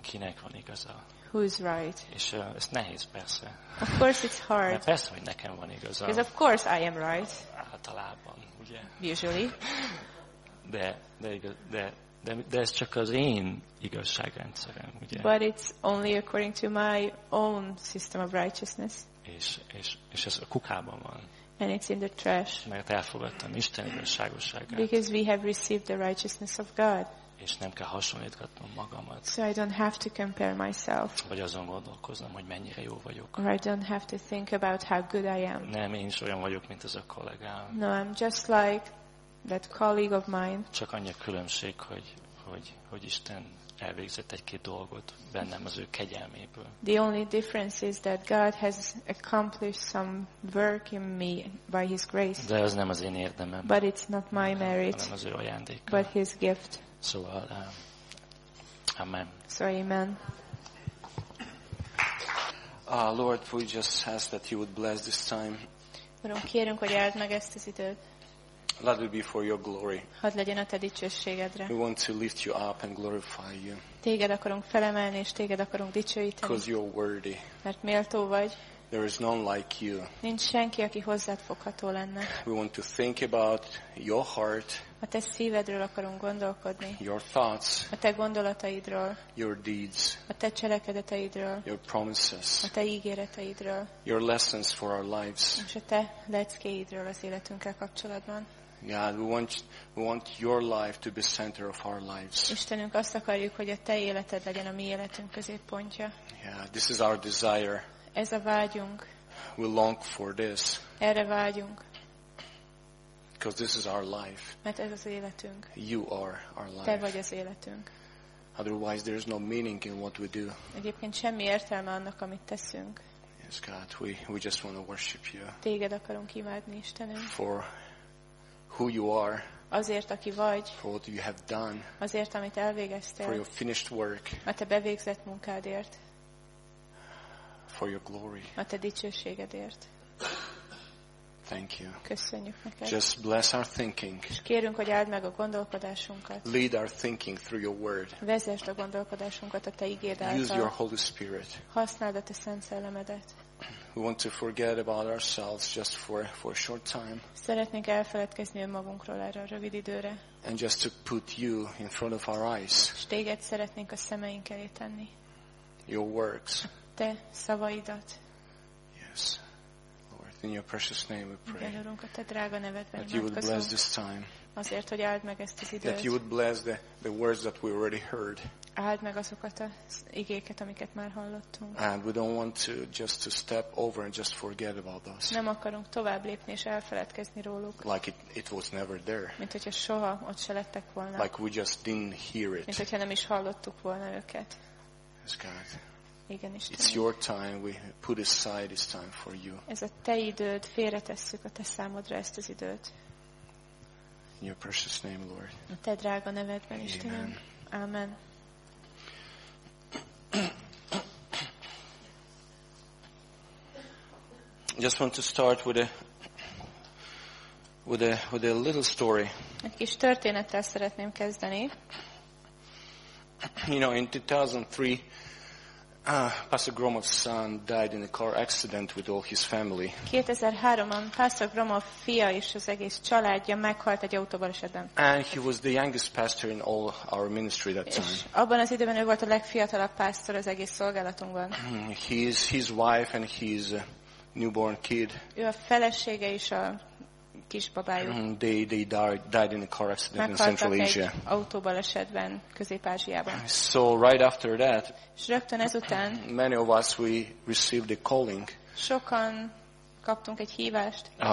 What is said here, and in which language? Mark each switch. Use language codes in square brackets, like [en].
[hu] Kinek van igaza? [en] Who's right? [hu] És ez nehéz, persze. [en] Of course it's hard. [hu] De persze, hogy nekem van igaza. [en] Because of course I am right. [hu] Általában, ugye? [en] Usually. [hu] De ez csak az én igazságrendszerem, ugye? [en] But it's only according to my own system of righteousness. [hu] És ez a kukában van. [en] And it's in the trash. [hu] Mert elfogadtam Isten igazságosságát. [en] Because we have received the righteousness of God. [hu] És nem kell hasonlítgatnom magamat. [en] So I don't have to compare myself. [hu] Vagy azon gondolkoznom, hogy mennyire jó vagyok. [en] Or I don't have to think about how good I am. [hu] Nem, én is olyan vagyok, mint ez a kollégám. [en] No, I'm just like that colleague of mine. [hu] Csak annyi a különbség, hogy Isten elvégzett egy-két dolgot bennem az ő kegyelméből. [en] The only difference is that God has accomplished some work in me by His grace. [hu] De ez nem az én érdemem. [en] But it's not my merit. [hu] Hanem az ő ajándéka. [en] But His gift. [hu] Szóval, amen. [en] So amen. Lord, we just ask that You would bless this time. [hu] Uram, kérünk, hogy áld meg ezt az időt. [en] Let it be for Your glory. [hu] Hadd legyen a Te dicsőségedre. [en] We want to lift You up and glorify You. [hu] Téged akarunk felemelni és téged akarunk dicsőíteni. [en] Because You're worthy. [hu] Mert méltó vagy. [en] There is none like You. [hu] Nincs senki, aki hozzád fogható lenne. [en] We want to think about Your heart. [hu] A Te szívedről akarunk gondolkodni. [en] Your thoughts. [hu] A Te gondolataidról. [en] Your deeds. [hu] A Te cselekedeteidről. [en] Your promises. [hu] A Te ígéreteidről. [en] Your lessons for our lives. [hu] És a Te leckéidről az életünkkel kapcsolatban. [en] God, we want Your life to be center of our lives. [hu] Istenünk, azt akarjuk, hogy a Te életed legyen a mi életünk középpontja. [en] Yeah, this is our desire. [hu] Ez a vágyunk. [en] We long for this. [hu] Erre vágyunk. [en] Because this is our life. [hu] Mert ez az életünk. [en] You are our life. [hu] Te vagy az életünk. [en] Otherwise there is no meaning in what we do. [hu] Egyébként semmi értelme annak, amit teszünk. [en] Yes, God, we just want to worship You. [hu] Téged akarunk imádni, Istenünk. [en] For who You are. [hu] Azért, aki vagy. [en] For what You have done. [hu] Azért, amit elvégeztél. [en] For Your finished work. [hu] A Te bevégzett munkádért. [en] For Your glory. [hu] A Te dicsőségedért. [en] Thank You. [hu] Köszönjük neked. [en] Just bless our thinking. [hu] És kérünk, hogy áld meg a gondolkodásunkat. [en] Lead our thinking through Your word. [hu] Vezesd a gondolkodásunkat a Te ígéd által. [en] Use Your Holy Spirit. [hu] Használd a Te Szent Szellemedet. [en] We want to forget about ourselves just for a short time. [hu] Szeretnénk elfeledkezni önmagunkról erre a rövid időre. [en] And just to put You in front of our eyes. [hu] És téged szeretnénk a szemeink elé tenni. [en] Your works. [hu] Te szavaidat. [en] Yes. In Your precious name we pray. [hu] Igen, Urunk, a Te drága nevedben [en] that You would bless this time. [hu] Azért, hogy áld meg ezt az időt. [en] That You would bless the words that we already heard. [hu] Áld meg azokat az igéket, amiket már hallottunk. [en] And we don't want to just to step over and just forget about us. [hu] Nem akarunk tovább lépni és elfeledkezni róluk. [en] Like it was never there. [hu] Mint hogyha soha ott se lettek volna. [en] Like we just didn't hear it. [hu] Mint hogyha nem is hallottuk volna őket. [en] Yes, God. [hu] Igen, Istenem. [en] It's Your time. We put aside this time for You. [hu] Ez a Te időd, félretesszük a Te számodra ezt az időt. [en] In Your precious name, Lord. [hu] A Te drága nevedben, Istenem. [en] Amen. I just want to start with a little story. [hu] Egy kis történettel szeretném kezdeni. [en] You know, in 2003. Pastor Gromov's son died in a car accident with all his family. [hu] 2003-ban Pastor Gromov fia és az egész családja meghalt egy autóbalesetben. [en] And he was the youngest pastor in all our ministry that time. [hu] Abban az időben ő volt a legfiatalabb pastor az egész szolgálatunkban. [en] His wife and his newborn kid. [hu] Ő a felesége is a kisbabájuk. [en] They died in a car accident in Central Asia. [hu] Meghaltak egy autóbalesetben Közép-Ázsiában. [en] So right after that, [hu] és rögtön ezután, [en] many of us we received a calling. [hu] Sokan kaptunk egy hívást.